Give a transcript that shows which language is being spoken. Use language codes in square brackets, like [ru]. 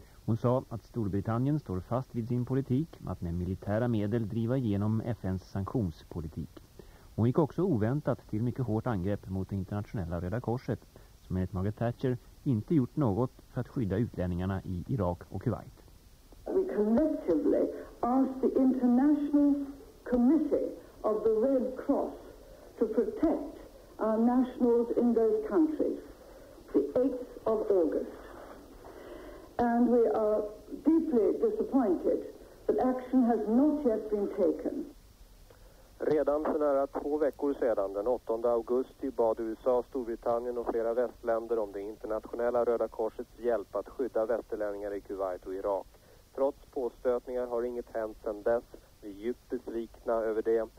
[sv] Hon sa att Storbritannien står fast vid sin politik att med militära medel driva igenom FNs sanktionspolitik. Hon gick också oväntat till mycket hårt angrepp mot det internationella Röda Korset som enligt Margaret Thatcher inte gjort något för att skydda utlänningarna i Irak och Kuwait. [en] We collectively asked the International Committee of the Red Cross to protect our nationals in those countries the 8th of August. And we are deeply disappointed that action has not yet been taken. [sv] Redan för nära 2 veckor sedan, den 8 augusti, bad USA, Storbritannien och flera västländer om det internationella Röda Korsets hjälp att skydda västerlänningar i Kuwait och Irak. Trots påstötningar har inget hänt sedan dess. Vi är djupt besvikna över det.